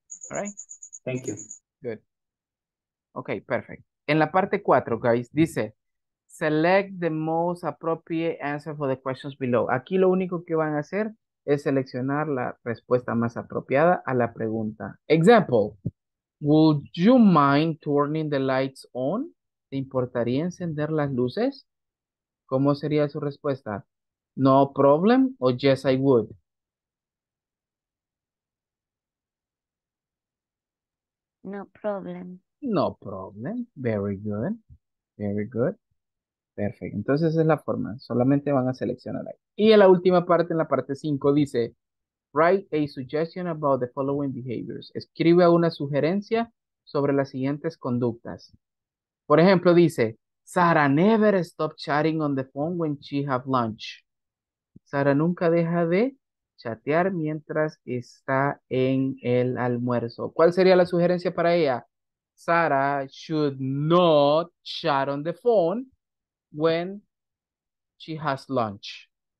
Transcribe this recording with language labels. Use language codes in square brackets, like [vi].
[en] All right. Thank you. Good. Okay, perfect. [es] En la parte 4, [en] guys, [es] dice, [en] select the most appropriate answer for the questions below. [es] Aquí lo único que van a hacer es seleccionar la respuesta más apropiada a la pregunta. [en] Example, would you mind turning the lights on? [es] ¿Te importaría encender las luces? ¿Cómo sería su respuesta? [en] No problem o yes, I would. No problem. No problem. Very good. Very good. Perfect. [es] Entonces esa es la forma. Solamente van a seleccionar ahí. Y en la última parte, en la parte 5, dice, [en] write a suggestion about the following behaviors. [es] Escribe una sugerencia sobre las siguientes conductas. Por ejemplo, dice, [en] Sarah never stop chatting on the phone when she have lunch. [es] Sarah nunca deja de chatear mientras está en el almuerzo. ¿Cuál sería la sugerencia para ella? [en] Sarah should not chat on the phone when she has lunch.